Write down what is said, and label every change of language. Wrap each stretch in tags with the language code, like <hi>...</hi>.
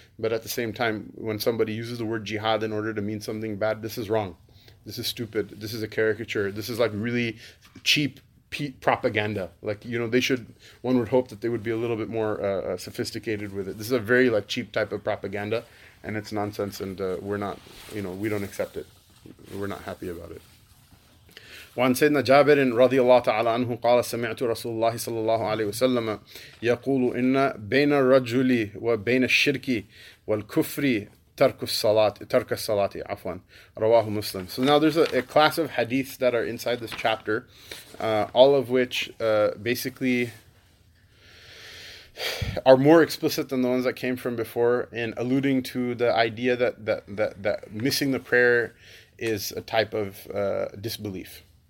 <en>But at the same time, when somebody uses the word jihad in order to mean something bad, this is wrong. This is stupid. This is a caricature. This is like really cheap propaganda. Like, you know, one would hope that they would be a little bit more sophisticated with it. This is a very like cheap type of propaganda, and it's nonsense, and we're not, you know, we don't accept it. We're not happy about it.</en> <ar>وعن سيدنا جابر رضي الله تعالى عنه قال سمعت رسول الله صلى الله عليه وسلم يقول إن بين الرجل وبين الشرك والكفر Tarkus Salati, Afwan, Rawahu Muslim.</ar> <en>So now there's a class of hadiths that are inside this chapter, all of which basically are more explicit than the ones that came from before in alluding to the idea that missing the prayer is a type of disbelief.</en>